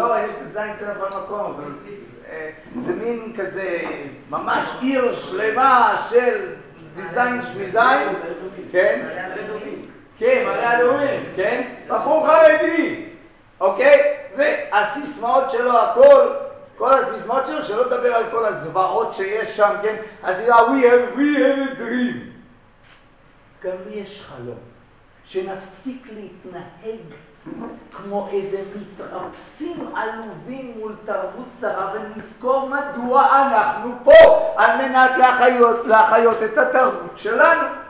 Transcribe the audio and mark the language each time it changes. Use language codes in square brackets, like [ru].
[he] לא, יש דיזיין סנטר בכל מקום, אבל זה מין כזה, ממש עיר שלמה של דיזיין שמיזיין, כן? מראה הלאומים. כן, מראה הלאומים, כן? בחור חרדי, אוקיי? והסיסמאות שלו, הכל, כל הסיסמאות שלו, שלא לדבר על כל הזוועות שיש שם, כן? אז היא אומרת, [en] we have a dream. [he] גם לי יש חלום, שנפסיק להתנהג כמו איזה מתרפסים עלובים מול תרבות זרה, ונזכור מדוע אנחנו פה על מנת להחיות את התרבות שלנו.